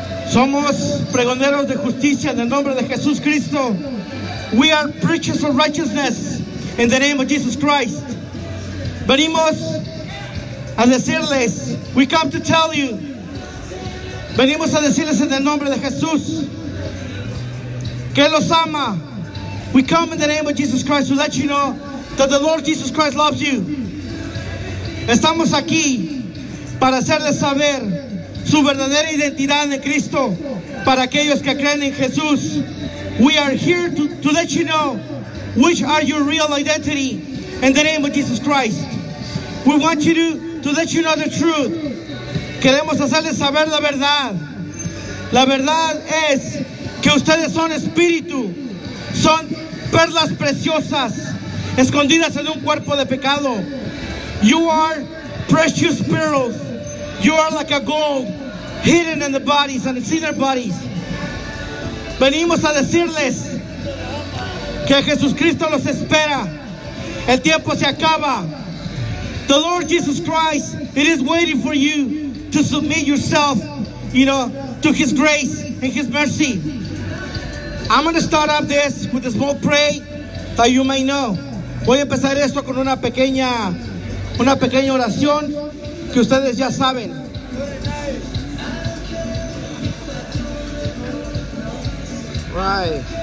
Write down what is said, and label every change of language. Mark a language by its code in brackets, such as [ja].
[es] Somos pregoneros de justicia en el nombre de Jesús Cristo. [en] We are preachers of righteousness in the name of Jesus Christ. [es] Venimos a decirles, [en] we come to tell you. [es] Venimos a decirles en el nombre de Jesús que los ama. [en] We come in the name of Jesus Christ to let you know that the Lord Jesus Christ loves you. [es] Estamos aquí para hacerles saber su verdadera identidad en Cristo para aquellos que creen en Jesús. [en] We are here to let you know which are your real identity in the name of Jesus Christ. We want you to let you know the truth. [es] Queremos hacerles saber la verdad. La verdad es que ustedes son espíritu, son perlas preciosas escondidas en un cuerpo de pecado. [en] You are precious pearls. You are like a gold hidden in the bodies and in their bodies. [es] Venimos a decirles que Jesucristo los espera. El tiempo se acaba. [en] The Lord Jesus Christ, it is waiting for you to submit yourself, you know, to His grace and His mercy. I'm going to start up this with a small prayer that you may know. [es] Voy a empezar esto con una pequeña oración que ustedes ya saben. [en] Right.